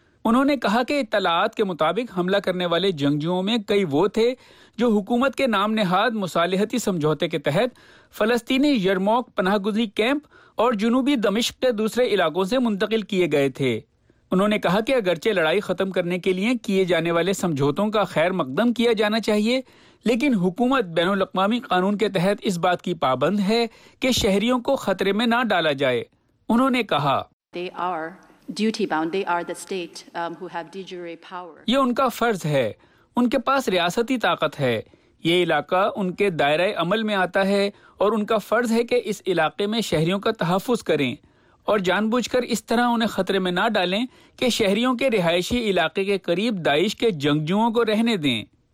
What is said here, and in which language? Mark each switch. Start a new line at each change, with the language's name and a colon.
Urdu: انہوں نے کہا کہ اطلاعات کے مطابق حملہ کرنے والے جنگجوؤں میں کئی وہ تھے جو حکومت کے نام نہاد مصالحتی سمجھوتے کے تحت فلسطینی یرموک پناہ گزین کیمپ اور جنوبی دمشق کے دوسرے علاقوں سے منتقل کیے گئے تھے۔ انہوں نے کہا کہ اگرچہ لڑائی ختم کرنے کے لیے کیے جانے والے سمجھوتوں کا خیر مقدم کیا جانا چاہیے، لیکن حکومت بین الاقوامی قانون کے تحت اس بات کی پابند ہے کہ شہریوں کو خطرے میں نہ ڈالا جائے۔ انہوں نے کہا،
English: They are the state who have de jure power.
Urdu: یہ ان کا فرض ہے، ان کے پاس ریاستی طاقت ہے، یہ علاقہ ان کے دائرہ عمل میں آتا ہے اور ان کا فرض ہے کہ اس علاقے میں شہریوں کا تحفظ کریں اور جان بوجھ کر اس طرح انہیں خطرے میں نہ ڈالیں کہ شہریوں کے رہائشی علاقے کے قریب داعش کے جنگجوؤں کو رہنے دیں۔